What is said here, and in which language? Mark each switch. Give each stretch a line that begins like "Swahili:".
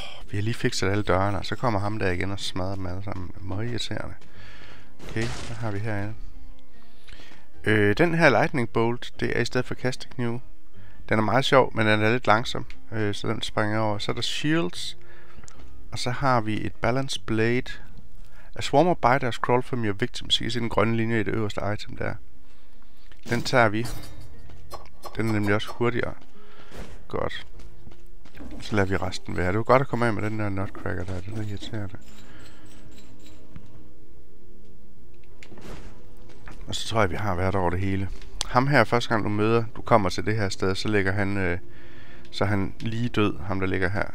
Danish: Vi har lige fikset alle dørene, og så kommer ham der igen og smadrer dem alle sammen. Møgirriterende. Okay, hvad har vi herinde? Den her lightning bolt, det er i stedet for kastekniv. Den er meget sjov, men den er lidt langsom, så den springer over. Så er der shields, og så har vi et balance blade.
English: A swarm of biters crawl from your victim.
Danish: Så I kan se den grønne linje i det øverste item der. Den tager vi. Den er nemlig også hurtigere. Godt. Så lader vi resten være. Det var godt at komme af med den der nutcracker der. Den er irriterende. Og så tror jeg, vi har været over det hele. Ham her, første gang du møder, du kommer til det her sted, så ligger han, så han lige død, ham der ligger her.